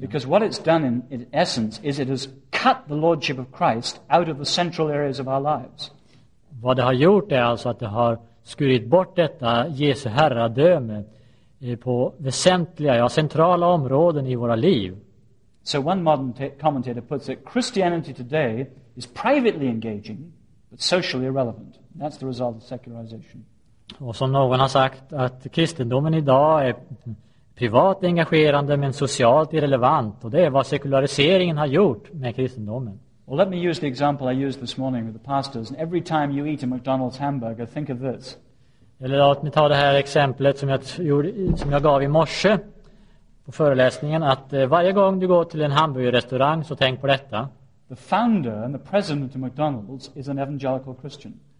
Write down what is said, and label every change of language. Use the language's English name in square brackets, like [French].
[English] Because what it's done in essence is it has cut the lordship of Christ out of the central areas of our lives. [Swedish] Vad det har gjort är alltså att det har skurit bort detta Jesu herradöme på väsentliga, ja, centrala områden i våra liv. [English] So one modern commentator puts it, Christianity today is privately engaging but socially irrelevant. That's the result of secularization. [Swedish] Och som någon har sagt att kristendomen idag är privat engagerande men socialt irrelevant, och det är vad sekulariseringen har gjort med kristendomen. [English] Well, let me use the example I used this morning with the pastors, and every time you eat a McDonald's hamburger, think of this. [Swedish] Eller låt mig ta det här exemplet som jag gav i morse på föreläsningen, att varje gång du går till en hamburgerrestaurang så tänk på detta. [English] The founder and the president of McDonald's is an evangelical Christian.